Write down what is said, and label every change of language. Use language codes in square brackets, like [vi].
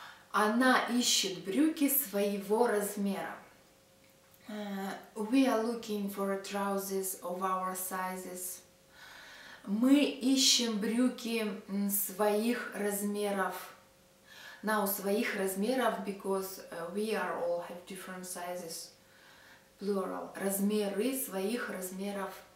[ru] Она ищет брюки своего размера. [en] We are looking for trousers of our sizes. [ru] Мы ищем брюки своих размеров. [en] Now, [ru] своих размеров, [en] because we are all have different sizes. Plural. [ru] Размеры своих размеров.